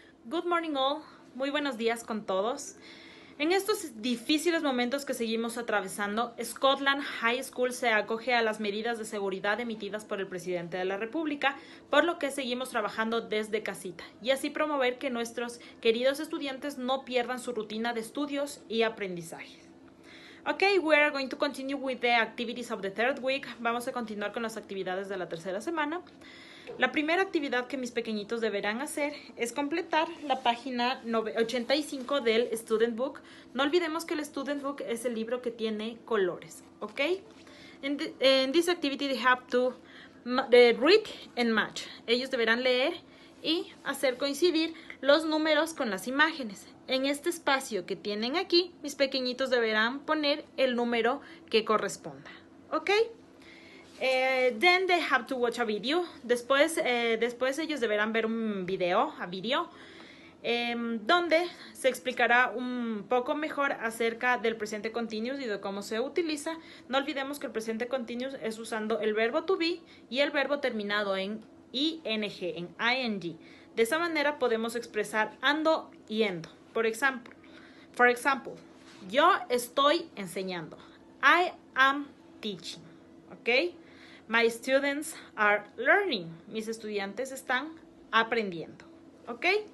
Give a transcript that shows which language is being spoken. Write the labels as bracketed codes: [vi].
[en] Good morning all, [es] muy buenos días con todos. En estos difíciles momentos que seguimos atravesando, Scotland High School se acoge a las medidas de seguridad emitidas por el presidente de la República, por lo que seguimos trabajando desde casita y así promover que nuestros queridos estudiantes no pierdan su rutina de estudios y aprendizaje. [en] Okay, we are going to continue with the activities of the third week. [es] Vamos a continuar con las actividades de la tercera semana. La primera actividad que mis pequeñitos deberán hacer es completar la página 85 del Student Book. No olvidemos que el Student Book es el libro que tiene colores, ¿ok? [en] In this activity, they have to read and match. [es] Ellos deberán leer y hacer coincidir los números con las imágenes. En este espacio que tienen aquí, mis pequeñitos deberán poner el número que corresponda, ¿ok? [en] Then they have to watch a video. [es] Después ellos deberán ver un video, donde se explicará un poco mejor acerca del presente continuous y de cómo se utiliza. No olvidemos que el presente continuous es usando el verbo to be y el verbo terminado en ing, en ing. De esa manera podemos expresar ando y endo. [en] For example, [es] yo estoy enseñando. [en] I am teaching. ¿Ok? My students are learning. [es] Mis estudiantes están aprendiendo. ¿Ok?